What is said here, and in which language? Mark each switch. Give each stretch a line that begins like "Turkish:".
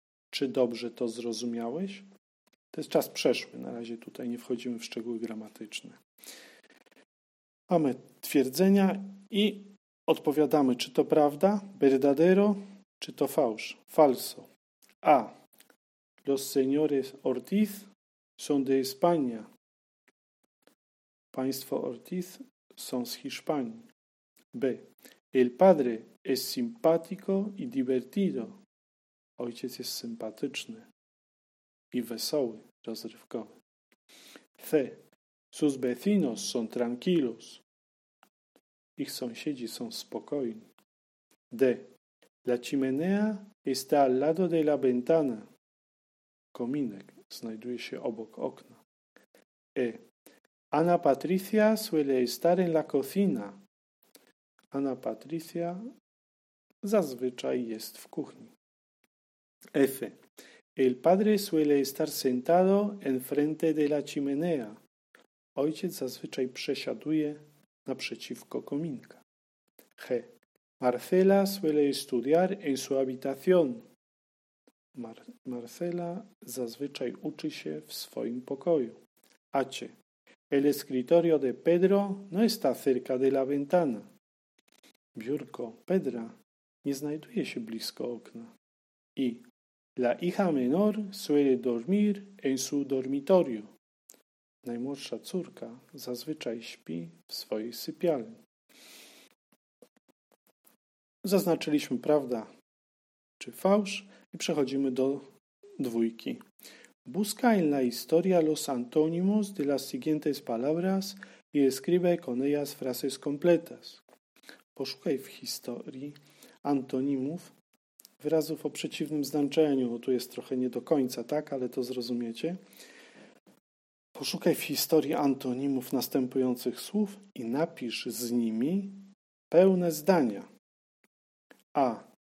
Polish: Czy dobrze to zrozumiałeś? To jest czas przeszły. Na razie tutaj nie wchodzimy w szczegóły gramatyczne. Mamy twierdzenia i odpowiadamy, czy to prawda, verdadero, czy to fałsz, falso. A.
Spanish: Los señores Ortiz son de España.
Polish: Państwo Ortiz są z Hiszpanii. B.
Spanish: El padre es simpático y divertido.
Polish: Ojciec jest sympatyczny i wesoły, rozrywkowy. C.
Spanish: Sus vecinos son tranquilos.
Polish: Ich sąsiedzi są spokojni. D.
Spanish: La chimenea está al lado de la ventana.
Polish: Kominek znajduje się obok okna. E.
Spanish: Ana Patricia suele estar en la cocina.
Polish: Ana Patricia zazwyczaj jest w kuchni. F.
Spanish: El padre suele estar sentado en frente de la chimenea.
Polish: Ojciec zazwyczaj przesiaduje naprzeciwko kominka. G.
Spanish: Marcela suele estudiar en su habitación.
Polish: Marcela zazwyczaj uczy się w swoim pokoju. H.
Spanish: El escritorio de Pedro no está cerca de la ventana.
Polish: Biurko Pedra nie znajduje się blisko okna. I.
Spanish: La hija menor suele dormir en su dormitorio.
Polish: Najmłodsza córka zazwyczaj śpi w swojej sypialni. Zaznaczyliśmy prawda czy fałsz i przechodzimy do dwójki.
Spanish: Busca en la historia los antónimos de las siguientes palabras y escribe con ellas frases completas.
Polish: Poszukaj w historii antonimów, wyrazów o przeciwnym znaczeniu, bo tu jest trochę nie do końca, tak, ale to zrozumiecie. Poszukaj w historii antonimów następujących słów i napisz z nimi pełne zdania. A.